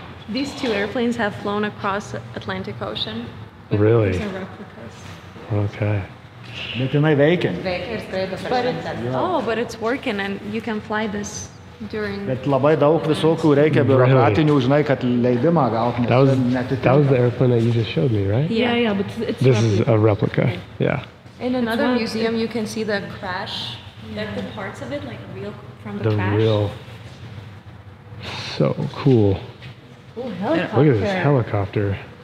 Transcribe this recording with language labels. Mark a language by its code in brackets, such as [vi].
[en] These two airplanes have flown across Atlantic Ocean. Really? Okay. But it's working and you can fly this. [lt] Bet labai daug visokų reikia biurokratinių, žinai, kad leidimą gauti. [en] That was the airplane that you just showed me, right? Yeah, but it's this replica. Is a replica. Okay. Yeah. In another museum, you can see the crash, like the parts of it, like real from the crash. The real. So cool. Oh, helicopter. Look at this helicopter.